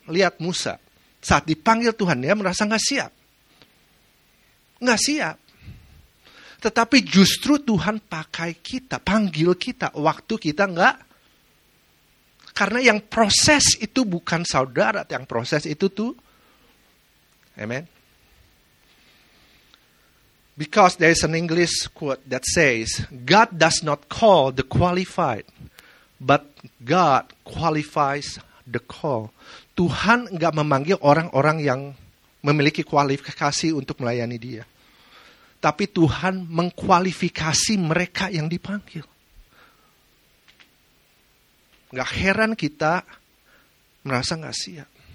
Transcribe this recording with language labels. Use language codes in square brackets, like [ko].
[id] Lihat Musa, saat dipanggil Tuhan dia merasa enggak siap. Enggak siap. Tetapi justru Tuhan pakai kita, panggil kita, waktu kita enggak. Karena yang proses itu bukan saudara, yang proses itu tuh. Amen. [en] Because there is an English quote that says, God does not call the qualified, but God qualifies the call. [id] Tuhan enggak memanggil orang-orang yang memiliki kualifikasi untuk melayani dia. Tapi Tuhan mengkualifikasi mereka yang dipanggil. Gak heran kita merasa gak siap.